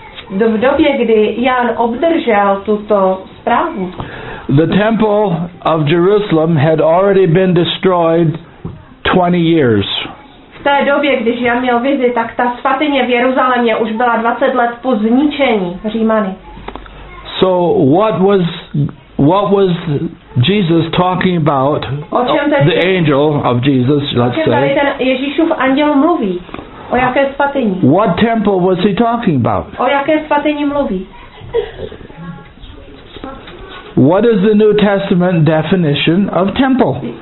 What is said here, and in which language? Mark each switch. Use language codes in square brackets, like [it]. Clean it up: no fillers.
[cs] v době, kdy Jan obdržel tuto zprávu, [en] the temple of Jerusalem had already been destroyed 20 years. [cs] V té době, když Jan měl vizi, tak ta svatyně v Jeruzalémě už byla 20 let po zničení Římany. [en] So what was Jesus talking about? The angel of Jesus, let's say. [cs] O čem tady ten Ježíšův anděl mluví? O jaké svatyni? [en] What temple was he talking about? [cs] O jaké svatyni mluví? [en] What is the New Testament definition of temple?